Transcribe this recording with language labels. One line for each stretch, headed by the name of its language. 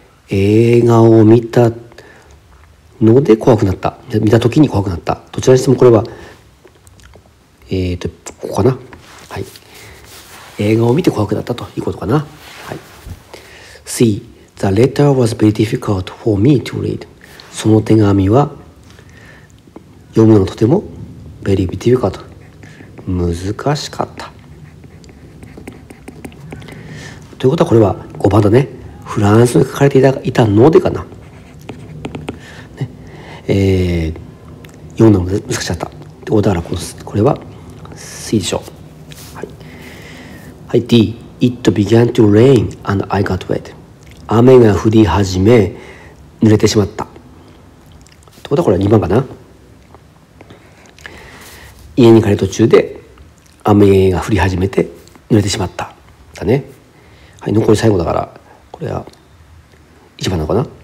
Japanese: 映画を見たので怖くなった。見た時に怖くなった。どちらにしてもこれは、ここかな。はい。映画を見て怖くなったということかな。はい。
English: C、The letter was very difficult for me to read。
Japanese: その手紙は読むのがとても
English: very difficult、
Japanese: 難しかった。ということはこれは5番だね。フランスに書かれていたのでかな、ね。読むのが難しかった。ということだから、これは C でしょう。はい、はい、
English: D、 It began to rain and I got wet。
Japanese: 雨が降り始め濡れてしまった。ということはこれは2番かな。家に帰る途中で雨が降り始めて濡れてしまっただね。はい、残り最後だから、これは一番なのかな。